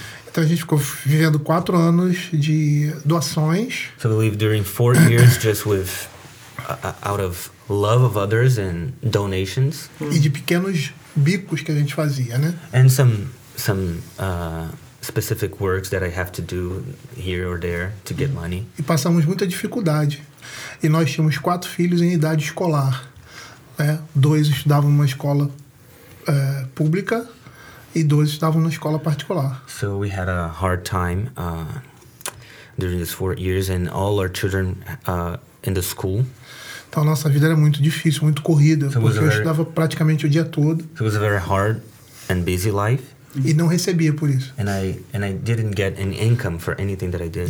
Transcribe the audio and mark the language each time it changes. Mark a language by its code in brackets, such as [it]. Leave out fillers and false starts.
[pt] Então a gente ficou vivendo 4 anos de doações. [en] So we lived during 4 years just with out of love of others and donations. [pt] E de pequenos bicos que a gente fazia, né? [en] And some specific works that I have to do here or there to get money. [pt] E passamos muita dificuldade. E nós tínhamos 4 filhos em idade escolar. Né? 2 estudavam numa escola pública e 2 estudavam numa escola particular. [en] So we had a hard time during these 4 years and all our children in the school. [pt] Então nossa vida era muito difícil, muito corrida, [en] so [pt] porque eu estudava praticamente o dia todo. [en] It was a very hard and busy life. [pt] E não recebia por isso. [en] And I didn't get an income for anything that I did.